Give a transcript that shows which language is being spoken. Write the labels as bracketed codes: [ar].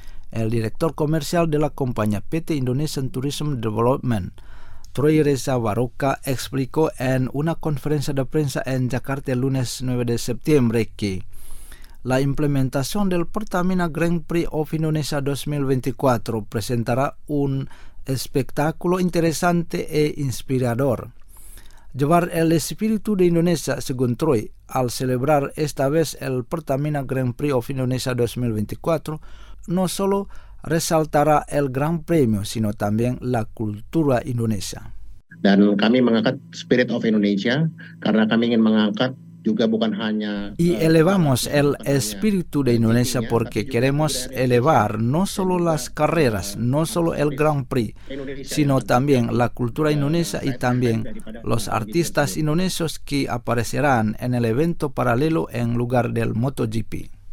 [es] El director comercial de la compañía PT Indonesian Tourism Development, Troy Reza Waroka, explicó en una conferencia de prensa en Jakarta el lunes 9 de septiembre que la implementación del Pertamina Grand Prix of Indonesia 2024 presentará un espectáculo interesante e inspirador. Llevar el espíritu de Indonesia, según Troy, al celebrar esta vez el Pertamina Grand Prix of Indonesia 2024, no solo resaltará el gran premio, sino también la cultura indonesia. [id] Dan kami mengangkat Spirit of Indonesia karena kami ingin mengangkat juga bukan hanya, [es] y elevamos el espíritu de Indonesia porque queremos elevar no solo las carreras, no solo el Grand Prix, sino también la cultura indonesia y también los artistas indonesios que aparecerán en el evento paralelo en lugar del MotoGP.